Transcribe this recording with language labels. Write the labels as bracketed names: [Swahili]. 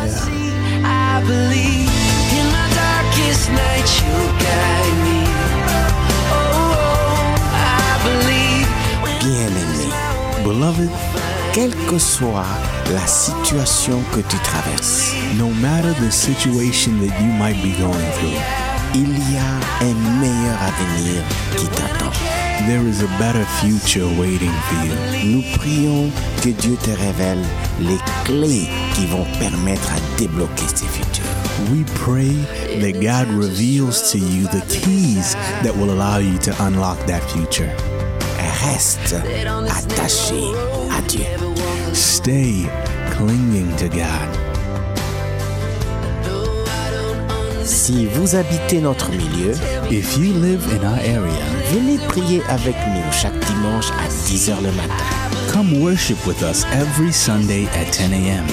[English] I believe in my darkest night you guide me. Oh, I believe. [French] Bien-aimé, beloved, quelle que soit la situation que tu traverses, [English] no matter the situation that you might be going through, [French] il y a un meilleur avenir qui t'attend. [English] There is a better future waiting for you. [French] Nous prions que Dieu te révèle les clés qui vont permettre à débloquer ce futur. [English] We pray that God reveals to you the keys that will allow you to unlock that future. [French] Reste attaché à Dieu. [English] Stay clinging to God. [French] Si vous habitez notre milieu, [English] if you live in our area, [French] venez prier avec nous chaque dimanche à 10h le matin. [English] Come worship with us every Sunday at 10 a.m.